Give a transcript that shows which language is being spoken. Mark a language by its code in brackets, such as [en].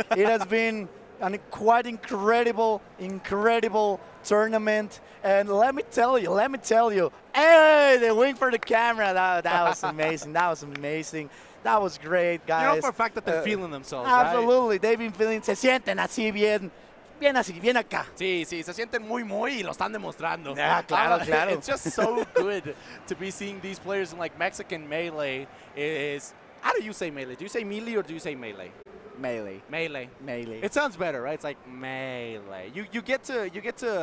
[en] It has been an quite incredible tournament. And let me tell you, hey, the wink for the camera. That was amazing. That was amazing. That was great, guys. You know for a fact that they're feeling themselves, absolutely. Right? They've been feeling, [es] se sienten así bien. Bien así, bien acá. Sí, sí, se sienten muy, muy, y lo están demostrando. Yeah, claro, claro. [en] It's just so good to be seeing these players in, like, Mexican Melee is... How do you say Melee? Do you say Melee or do you say Melee? Melee. Melee. Melee. It sounds better, right? It's like Melee. You get to...